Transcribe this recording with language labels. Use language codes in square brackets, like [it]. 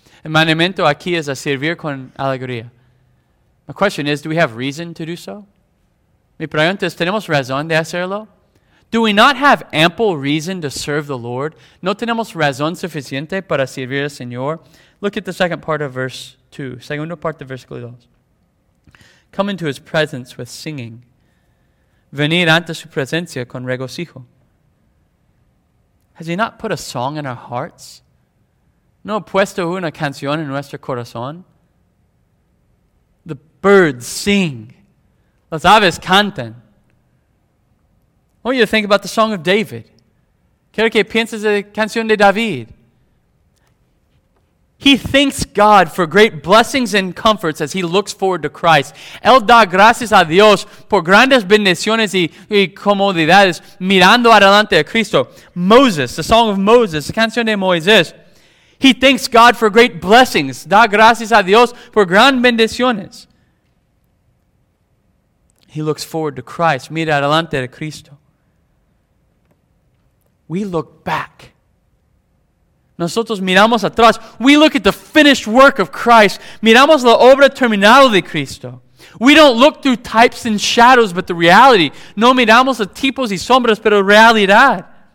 [es] El mandamiento aquí es a servir con alegría. [en] My question is, do we have reason to do so? [es] Mi pregunta es, ¿tenemos razón de hacerlo? [en] Do we not have ample reason to serve the Lord? [es] ¿No tenemos razón suficiente para servir al Señor? [en] Look at the second part of verse 2. [es] Segunda parte de versículo 2. [en] Come into his presence with singing. [es] Venir ante su presencia con regocijo. [en] Has he not put a song in our hearts? [es] No puesto una canción en nuestro corazón. [en] The birds sing. [es] Las aves cantan. [en] I want you to think about the song of David. [es] Quiero que pienses en la canción de David. [en] He thanks God for great blessings and comforts as he looks forward to Christ. [es] Él da gracias a Dios por grandes bendiciones y comodidades mirando adelante a Cristo. [en] Moses, the song of Moses, the [es] canción de Moisés. [en] He thanks God for great blessings. [es] Da gracias a Dios por grandes bendiciones. [en] He looks forward to Christ. [es] Mira adelante a Cristo. [en] We look back. [es] Nosotros miramos atrás. [en] We look at the finished work of Christ. [es] Miramos la obra terminada de Cristo. [en] We don't look through types and shadows, but the reality. [es] No miramos a tipos y sombras, pero realidad.